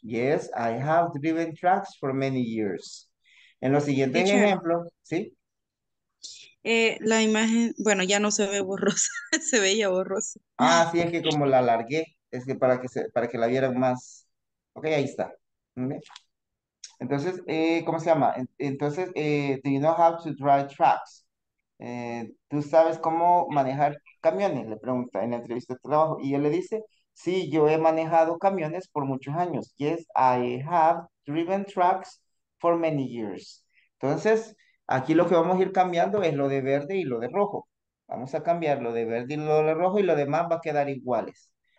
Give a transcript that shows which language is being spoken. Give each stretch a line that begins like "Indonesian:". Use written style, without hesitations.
English: Yes, I have driven trucks for many years.
Spanish: En los siguientes
English: Teacher,
Spanish: ejemplos, ¿sí? La imagen, bueno, ya no se ve borrosa, se veía borrosa. Ah, sí, es que como la alargué, es que para que la vieran más. Ok, ahí está. Okay. Entonces, ¿cómo se llama? Entonces,
English: do you know how to drive trucks?
Spanish: ¿Tú sabes cómo manejar camiones? Le pregunta en la entrevista de trabajo. Y él le dice, sí, yo he manejado camiones por muchos años.
English: Yes, I have driven trucks for many years.
Spanish: Entonces, aquí lo que vamos a ir cambiando es lo de verde y lo de rojo. Vamos a cambiar lo de verde y lo de rojo y lo demás va a quedar iguales.